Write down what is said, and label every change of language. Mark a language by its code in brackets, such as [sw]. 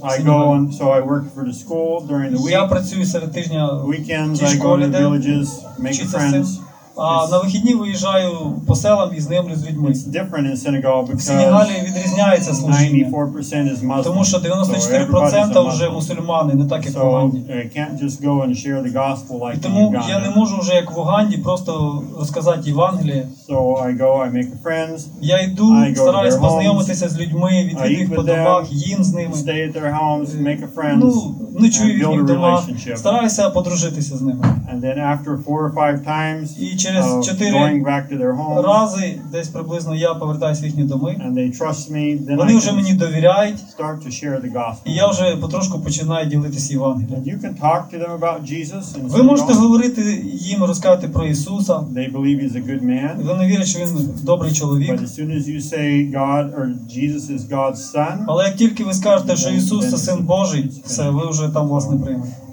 [en] I go and so I work for the school during the week. [uk] Я працюю серед тижня. [en] Weekends I go to the villages, make friends. [uk] А на вихідні виїжджаю по селам і знайомлюсь з людьми. [en] It's different in Senegal because [uk] в Сенегалі відрізняється служіння. Тому що 94% вже мусульмани, не так як в Уганді. [en] So I can't just go and share the gospel like in Uganda. [uk] Тому я не можу вже як в Уганді просто розказати Євангеліє. [en] So I go, I make friends. [uk] Я йду, стараюсь познайомитися з людьми, відвідати їх по домах, їм з ними. [en] Stay at their homes, make a friend. [uk] Ну, ночую в їхніх домах, стараюся подружитися з ними. [en] And then after 4 or 5 times [uk] і через 4 рази десь приблизно я повертаюся в їхні доми. [en] And they trust me, [uk] then вони вже мені довіряють. [en] Start to share the gospel. [uk] І я вже потрошку починаю ділитися Євангелієм. [en] And you can talk to them about Jesus. [uk] Ви можете говорити їм, розказати про Ісуса. [en] They believe he's a good man. [uk] Вони вірять, що він добрий чоловік. [en] But as soon as you say God or Jesus is God's son. [uk] Але як тільки ви скажете, що Ісус це син Божий, все, ви вже там власне приймете.